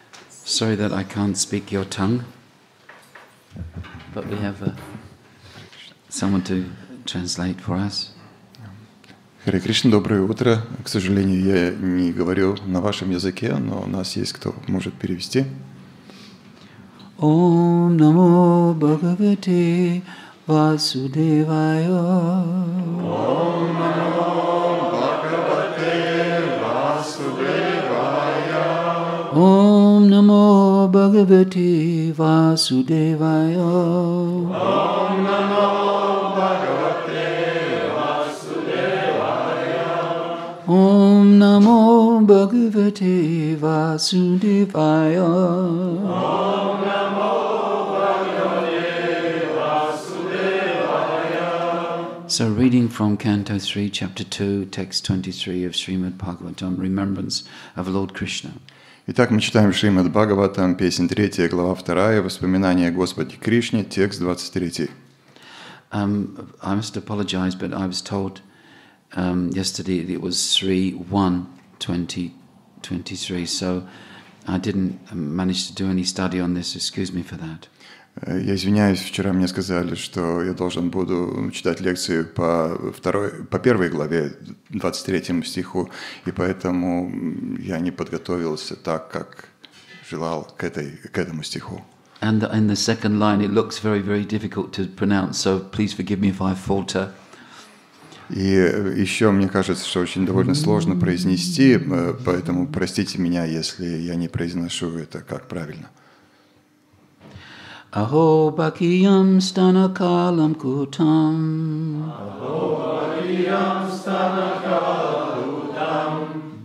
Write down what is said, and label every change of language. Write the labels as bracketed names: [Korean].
[English] Sorry that I can't speak your tongue, but we have someone to translate for us. [Russian] Hare Krishna, доброе утро. К сожалению, я не говорю на вашем языке, но у нас есть кто может перевести. [Sanskrit] Om namo Bhagavate Vasudevaya. Om namo. Om namo Bhagavate Vasudevaya. Om namo Bhagavate Vasudevaya. Om namo Bhagavate Vasudevaya. Om namo Bhagavate Vasudevaya. [English] So reading from Canto 3, Chapter 2, Text 23 of Śrīmad Bhāgavatam, Remembrance of Lord Krishna. [Russian] Итак, мы читаем Шримад Бхагаватам, песнь 3, глава 2, воспоминания о Господе Кришне, текст 23. [English] I must apologize, but I was told yesterday it was 3.1.23, so I didn't manage to do any study on this, excuse me for that. [Russian] Я извиняюсь, вчера мне сказали, что я должен буду читать лекцию по первой главе, 23 стиху, и поэтому я не подготовился так, как желал к этому стиху. [English] And in the second line it looks very, very difficult to pronounce, so please forgive me if I falter. [Russian] И еще мне кажется, что очень довольно сложно произнести, поэтому простите меня, если я не произношу это как правильно. [Sanskrit] Aho bakiyam stana kalam kutam. Aho bakiyam stana kalam kutam.